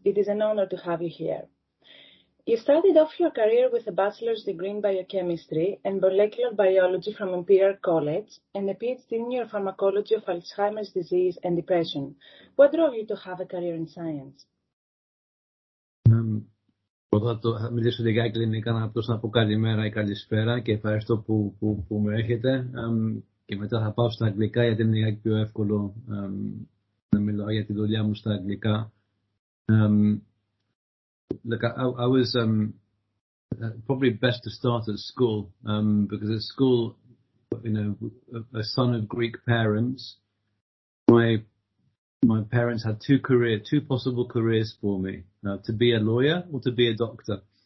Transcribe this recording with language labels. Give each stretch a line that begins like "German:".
English: It is an honor to have you here. You started off your career with a bachelor's degree in biochemistry and molecular biology from Imperial College and a PhD in neuropharmacology of Alzheimer's disease and depression. What drove you to have a career in science?
Greek: Θα μιλήσω λίγα κλινικά, να απλώς να πω καλημέρα ή καλησπέρα και ευχαριστώ που με έχετε. Και μετά θα πάω στα αγγλικά γιατί είναι λίγα πιο εύκολο να μιλάω για τη δουλειά μου στα αγγλικά.
English: Look, I was probably best to start at school because at school, you know, a son of Greek parents, my parents had two possible careers for me, to be a lawyer or to be a doctor.